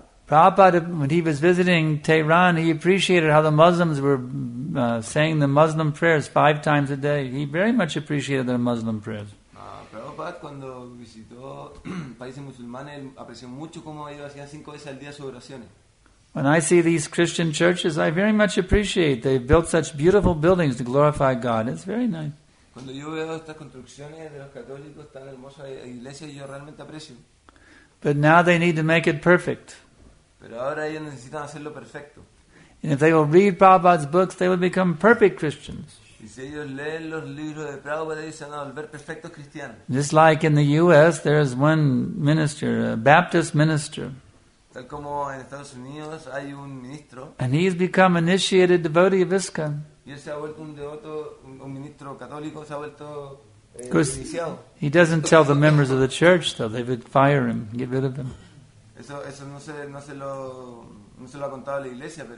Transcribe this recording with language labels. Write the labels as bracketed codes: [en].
[en] Prabhupada, when he was visiting Tehran, he appreciated how the Muslims were saying the Muslim prayers 5 times a day. He very much appreciated the Muslim prayers. [es] Prabhupada, cuando visitó países musulmanes, apreció mucho cómo ellos hacían 5 veces al día sus oraciones. [en] When I see these Christian churches, I very much appreciate they built such beautiful buildings to glorify God. It's very nice. [es] Cuando yo veo estas construcciones de los católicos tan hermosas iglesias, yo realmente aprecio. [en] But now they need to make it perfect. [es] Pero ahora ellos necesitan hacerlo perfecto. [en] And if they will read Prabhupada's books, they will become perfect Christians. [es] Y si ellos leen los libros de Prabhupada, ellos se van a volver perfectos cristianos. [en] Just like in the U.S., there is one minister, a Baptist minister. [es] Tal como en Estados Unidos hay un ministro. [en] And he has become initiated devotee of ISKCON. [es] Y él se ha vuelto un devoto, un ministro católico, se ha vuelto iniciado. [en] He doesn't tell the members of the church, though. They would fire him, get rid of him. [es] Eso no se lo ha contado la iglesia, pero